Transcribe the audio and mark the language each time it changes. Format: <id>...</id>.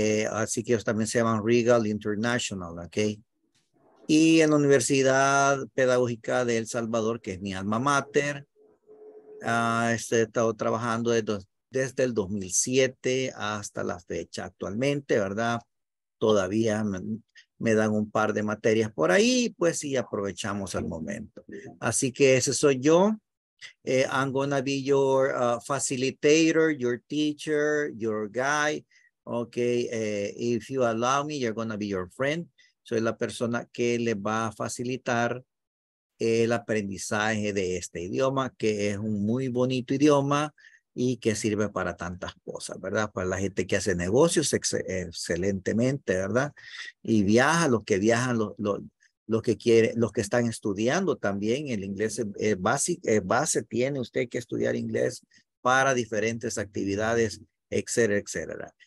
<es>Así que ellos también se llaman Regal International, ¿ok? Y en la Universidad Pedagógica de El Salvador, que es mi alma mater, he estado trabajando desde el 2007 hasta la fecha actualmente, ¿verdad? Todavía me dan un par de materias por ahí, pues, y aprovechamos el momento. Así que ese soy yo.</es> <en>I'm gonna be your facilitator, your teacher, your guide. Okay, if you allow me, you're gonna be your friend.</en> <es>Soy la persona que le va a facilitar el aprendizaje de este idioma, que es un muy bonito idioma y que sirve para tantas cosas, ¿verdad? Para la gente que hace negocios excelentemente, ¿verdad? Y viaja, los que viajan, los que están estudiando también, el inglés es básico, base tiene usted que estudiar inglés para diferentes actividades, etcétera, etcétera.</es>